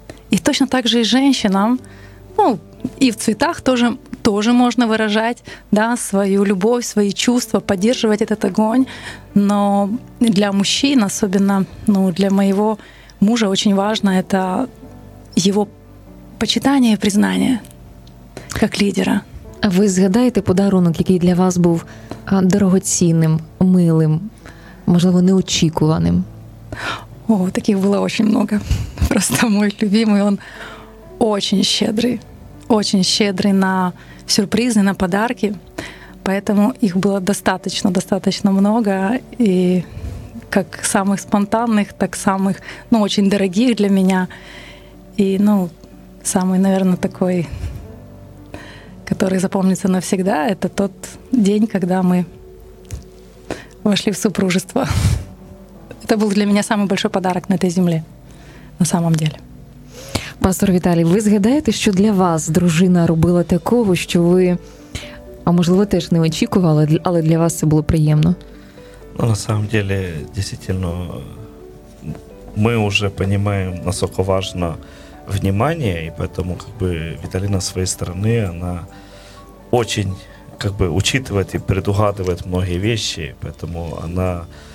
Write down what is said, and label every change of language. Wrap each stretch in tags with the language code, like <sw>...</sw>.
<ru>И точно так же и женщинам, ну, и в цветах тоже можно выражать, да, свою любовь, свои чувства, поддерживать этот огонь. Но для мужчин, особенно, ну, для моего мужа очень важно это его почитание и признание как лидера.</ru> <uk>А ви згадаєте подарунок, який для вас був дорогоцінним, милим, можливо, неочікуваним? О, таких було дуже багато.</uk> <ru>Просто мой любимый, он очень</ru> <uk>щедрий на сюрпризи,</uk> <ru>на подарки.</ru> <uk>Поэтому їх було</uk> <ru>достаточно много,</ru> <uk>і як самих спонтанних, так самих, ну, дуже дорогих для мене.</uk> <ru>І, ну, самий, наверное, такой, который запомнится навсегда, это тот день, когда мы вошли в супружество. Это был для меня самый большой подарок на этой земле, на самом деле.</ru> <uk>Пастор Віталій, ви згадаєте, що для вас дружина робила такого, що ви, а можливо, теж не очікували, але для вас це було приємно?</uk> <ru>Ну, на самом деле, действительно,</ru> <uk>ми вже розуміємо,</uk> <ru>насколько важно внимание, и поэтому, как бы, Виталина с своей стороны, она очень, как бы, учитывает и предугадывает многие вещи, поэтому она</ru>